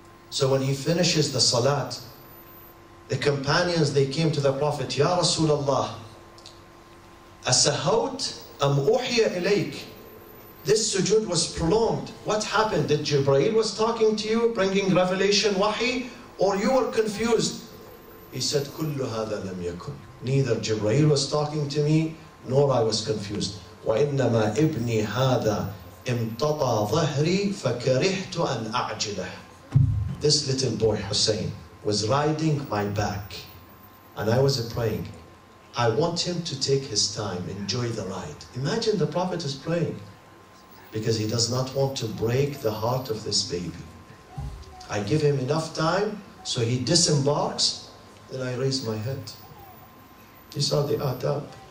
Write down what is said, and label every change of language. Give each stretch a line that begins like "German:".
English: So when he finishes the Salat, the companions, they came to the Prophet, Ya Rasulullah, أسهوت أم أوحي إليك. This sujood was prolonged. What happened? Did Jibreel was talking to you, bringing revelation, wahi, or you were confused?
Arabic: He said, كل هذا لم يكن.
English: Neither Jibreel was talking to me, nor I was confused.
Arabic: وإنما ابني هذا امتطى ظهري فكرهت أن أعجله.
English: This little boy Hussein was riding my back, and I was praying. I want him to take his time, enjoy the ride. Imagine the Prophet is praying. because he does not want to break the heart of this baby. I give him enough time so he disembarks, then I raise my head. These are the adab.